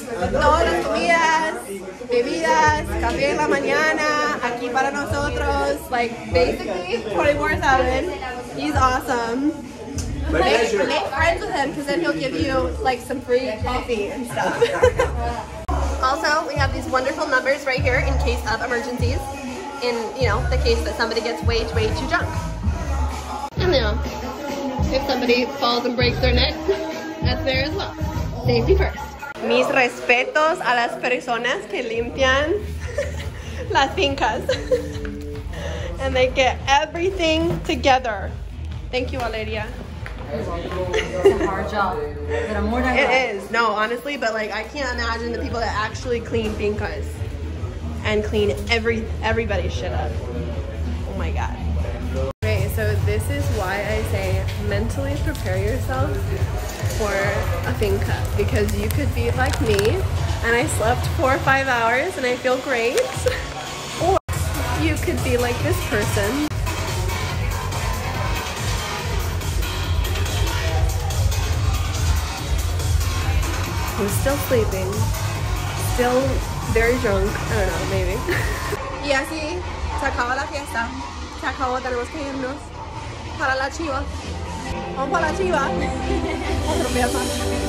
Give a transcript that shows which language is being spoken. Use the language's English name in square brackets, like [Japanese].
[Spanish] Todos los días, bebidas, café en la mañana, aquí para nosotros, [English] like basically 24/7. He's awesome. Make friends with him because then he'll give you like some free coffee and stuff. Also, we have these wonderful numbers right here in case of emergencies. In, you know, the case that somebody gets way, way too drunk. And, you know, if somebody falls and breaks their neck, that's there as well. Safety first. [Spanish] Mis respetos a las personas que limpian las fincas. [English] And they get everything together. Thank you, Valeria. It's a hard job, but I'm more than it is. No, honestly, but like I can't imagine the people that actually clean fincas and clean everybody's shit up. Oh my God. Okay, so this is why I say mentally prepare yourself for a finca, because you could be like me and I slept 4 or 5 hours and I feel great. Or you could be like this person. Who's still sleeping, still very drunk, I don't know, maybe. [Spanish] Y así, se acaba la fiesta. Se acabó, tenemos que irnos para la chiva. Vamos para la chiva. Otro pedazo.